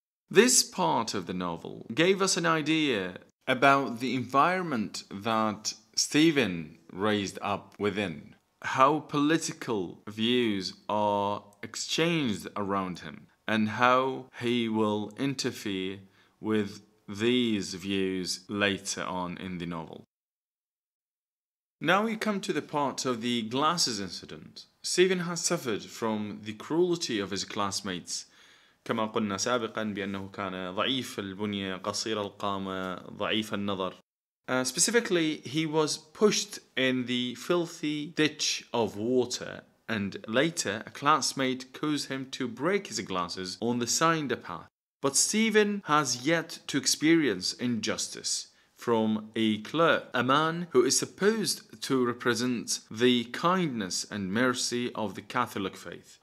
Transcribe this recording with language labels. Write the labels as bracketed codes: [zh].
[en] This part of the novel gave us an idea about the environment that Stephen raised up within, how political views are exchanged around him, and how he will interfere with these views later on in the novel. Now we come to the part of the glasses incident. Stephen has suffered from the cruelty of his classmates. [ar] كما قلنا سابقا بأنه كان ضعيف البنية قصير القامة ضعيف النظر. [en] Specifically, he was pushed in the filthy ditch of water, and later a classmate caused him to break his glasses on the cinder path. But Stephen has yet to experience injustice from a clerk, a man who is supposed to represent the kindness and mercy of the Catholic faith.